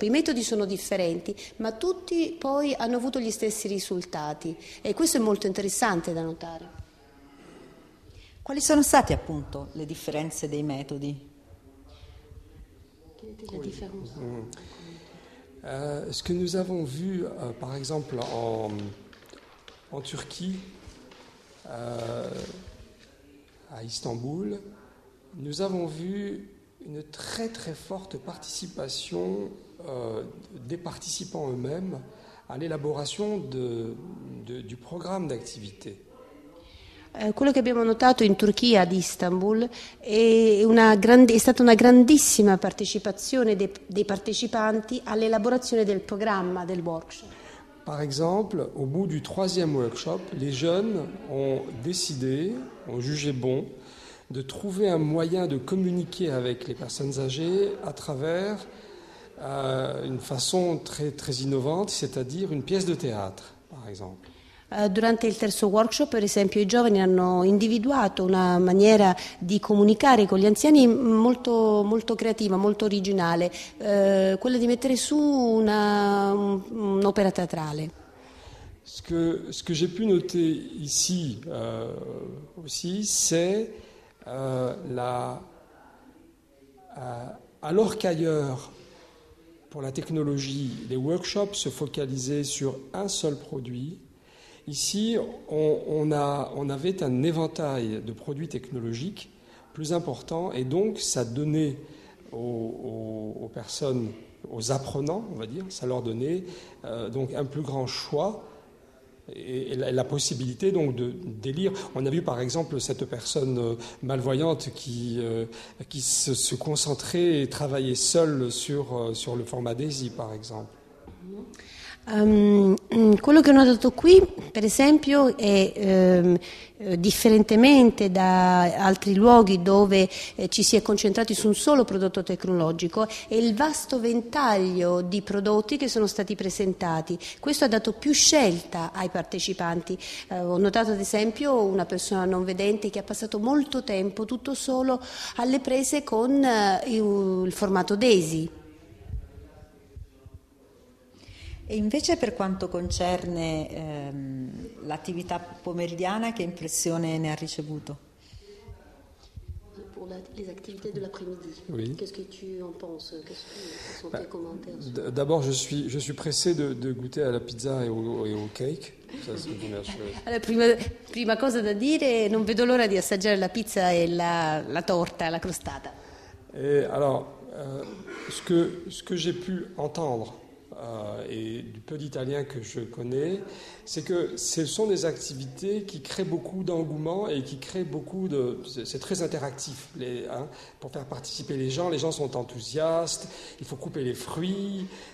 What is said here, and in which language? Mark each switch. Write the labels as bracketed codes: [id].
[it] I metodi sono differenti, ma tutti poi hanno avuto gli stessi risultati e questo è molto interessante da notare. Quali sono state appunto le differenze dei metodi? La differenza. [fr] Ce que nous avons vu, par exemple, en Turquie, à Istanbul, nous avons vu une très très forte participation des participants eux-mêmes à l'élaboration du programme d'activité. [it] Quello che abbiamo notato in Turchia, ad Istanbul, è stata una grandissima partecipazione dei partecipanti all'elaborazione del programma del workshop. [fr] Par exemple, au bout du troisième workshop, les jeunes ont jugé bon de trouver un moyen de communiquer avec les personnes âgées à travers une façon très très innovante, c'est-à-dire une pièce de théâtre, par exemple. [it] Durante il terzo workshop, per esempio, i giovani hanno individuato una maniera di comunicare con gli anziani molto, molto creativa, molto originale, quella di mettere su un'opera teatrale. [fr] Ce que j'ai pu noter ici aussi, c'est alors qu'ailleurs, pour la technologie, les workshops se focalisaient sur un seul produit. Ici, on avait un éventail de produits technologiques plus important et donc ça donnait aux personnes, aux apprenants, on va dire, ça leur donnait donc un plus grand choix et la possibilité donc d'élire. On a vu par exemple cette personne malvoyante qui se concentrait et travaillait seule sur le format DAISY par exemple. [it] Quello che ho notato qui, per esempio, è differentemente da altri luoghi dove ci si è concentrati su un solo prodotto tecnologico, è il vasto ventaglio di prodotti che sono stati presentati. Questo ha dato più scelta ai partecipanti. Ho notato, ad esempio, una persona non vedente che ha passato molto tempo tutto solo alle prese con il formato DAISY. E invece per quanto concerne l'attività pomeridiana, che impressione ne ha ricevuto? Per le attività [fr] dell'après-midi, qu'est-ce que tu en penses? Quels sont tes commentaires? D'abord, je suis pressé de goûter à la pizza et au cake. Ça, c'est [it] la prima cosa da dire, non vedo l'ora di assaggiare la pizza e la torta, la crostata. [fr] Et alors, ce que j'ai pu entendre et du peu d'Italien que je connais, c'est que ce sont des activités qui créent beaucoup d'engouement et qui créent beaucoup de... C'est très interactif. Pour faire participer les gens sont enthousiastes, il faut couper les fruits.